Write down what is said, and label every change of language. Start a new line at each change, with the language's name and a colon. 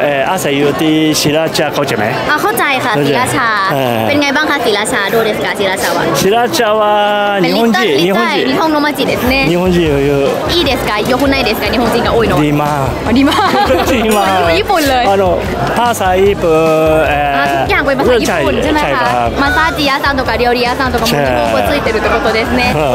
Japanese: 朝ユーティーシラチャ、こちらね。あ、こちらか。シラチャ。
Thai: เป็นไงบ้างคะ
Japanese: シラチャどうですかシラチャは。シラチャは日本人。日本人。日本の街ですね。日本人よ。いいですか。よくないですか。日本人が多いの。リマ。リマ。リマ。日本人。あの、パーサイプ。
Thai: あ、ทุกอย่างเป็นภาษาญี่ปุ่นใช่ไหมคะ。
Japanese: マッサージ屋さんとか料理屋さんとかも。ここついてるってことですね。